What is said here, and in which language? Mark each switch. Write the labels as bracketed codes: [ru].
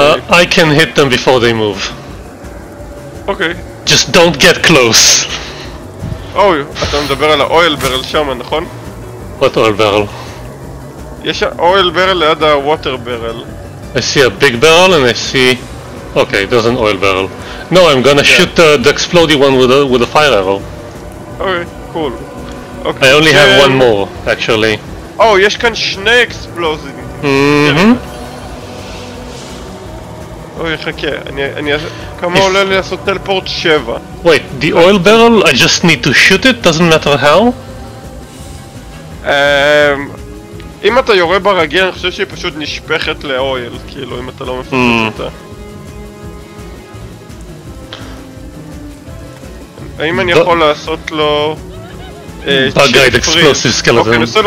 [en] I can hit them before they move. [he] אוקיי. [en] Just don't get close. [he] אוי, אתה מדבר על האויל ברל שם, נכון? [en] What oil barrel? [he] יש אויל ברל ליד הווטר ברל. [en] I see a big barrel and I see... אוקיי, there's an oil barrel. No, I'm gonna shoot the explody one with a fire arrow. אוקיי, cool. Okay. I only have one more, actually. [he] Oh, יש כאן שני אקספלוזים. אוי, חכה, אני... כמה עולה לי לעשות טלפורט 7? [en] Wait, the oil barrel, I just need to shoot it? Doesn't matter how? [he] אם אתה יורה ברגיל, אני חושב שהיא פשוט נשפכת לאויל, כאילו, אם אתה לא מפחד אותה. האם אני יכול לעשות לו... בגייד אקספלוסיב סקלטון.